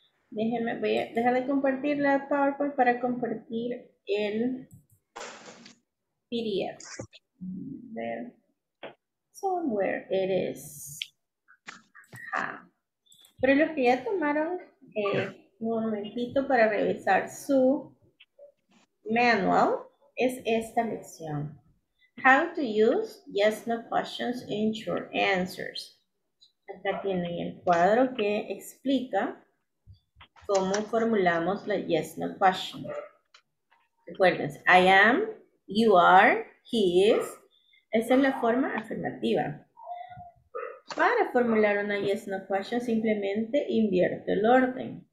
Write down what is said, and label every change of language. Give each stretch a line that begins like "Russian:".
Spanish: Déjame compartir la PowerPoint para compartir el PDF.
English: There. Somewhere it is. Ajá.
Spanish: Pero los que ya tomaron un momentito para revisar su manual es esta lección.
English: How to use yes no questions in short answers.
Spanish: Acá tienen el cuadro que explica cómo formulamos la
English: yes no question.
Spanish: Recuerden,
English: I am. You are, he is.
Spanish: Esa es la forma afirmativa. Para formular una
English: yes no question,
Spanish: simplemente invierto el orden.